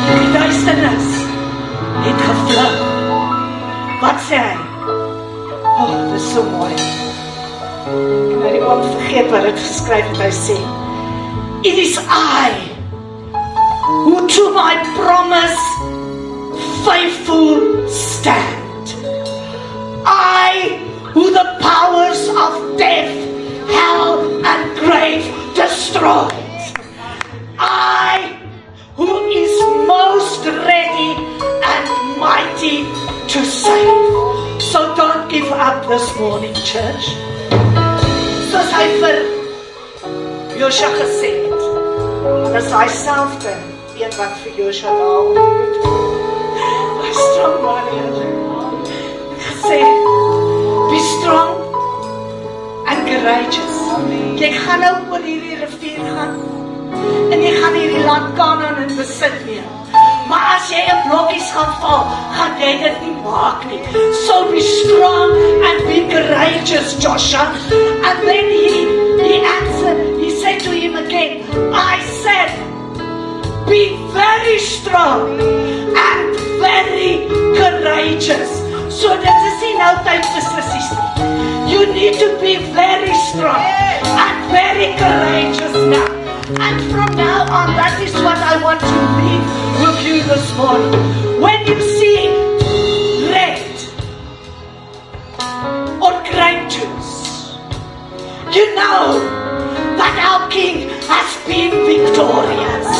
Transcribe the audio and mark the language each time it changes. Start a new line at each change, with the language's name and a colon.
Afrikaans: Die duisternis het gevlug. Wat sê hy? Oh, dit is so mooi. Ek nou die oom vergeet wat het geskryf en hy sê,
English: it is I who to my promise faithful stand. I who the powers of death, hell and grave destroyed. I who is most ready and mighty to save. So don't give up this morning, church.
Afrikaans: Soos hy vir Josia gesê het, dis hy selfde een wat vir Josia daar ontmoet.
English: Hy strong man, gesê, be strong and courageous.
Afrikaans: Jy gaan nou oor hierdie rivier gaan en jy gaan hierdie land Kanaan in besit neem. Maar as jy in blokkies gaan val, gaan jy dit nie maak nie.
English: So be strong and be courageous, Joshua. And then he answered, he said to him again, I said, be very strong and very courageous.
Afrikaans: So dit is nie nou tyd vir sissies.
English: You need to be very strong and very courageous now. And from now on, that is what I want to leave with you this morning. When you see red or grape juice, you know that our King has been victorious.